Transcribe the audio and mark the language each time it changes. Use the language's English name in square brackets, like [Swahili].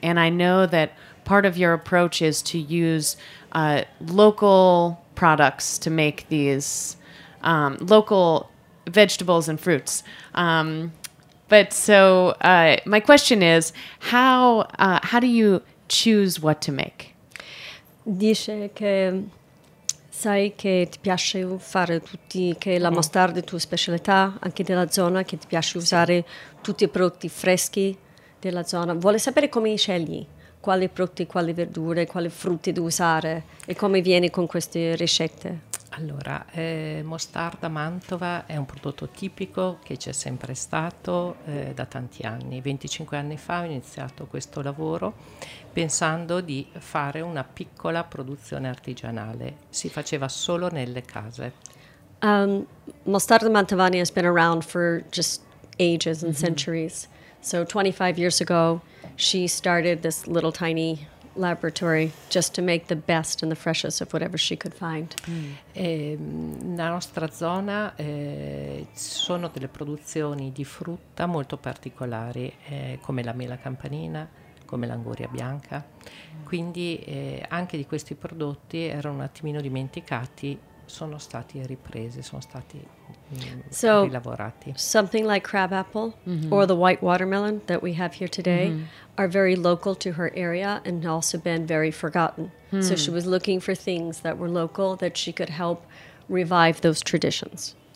[English] And I know that part of your approach is to use local products to make these local vegetables and fruits. But my question is, how do you choose what to make? [Italian] Dice che sai che ti piace fare tutti, che la mostarda è tua specialità, anche della zona, che ti piace usare tutti i prodotti freschi della zona. Vuole sapere come scegli quali prodotti, quali verdure, quali frutti da usare e come vieni con queste ricette. Allora, mostarda Mantova è un prodotto tipico che c'è sempre stato da tanti anni. 25 anni fa ho iniziato questo lavoro pensando di fare una piccola produzione artigianale. Si faceva solo nelle case. [English] Mostarda Mantovani has been around for just ages and centuries. So 25 years ago, she started this little tiny laboratory just to make the best and the freshest of whatever she could find. [Italian] Nella nostra zona sono delle produzioni di frutta molto particolari, come la mela campanina, come l'anguria bianca. Quindi anche di questi prodotti erano un attimino dimenticati, sono stati ripresi, sono stati rilavorati. [English] So, something like crab apple or the white watermelon that we have here today are very local to her area and also been very forgotten. So she was looking for things that were local that she could help revive those traditions.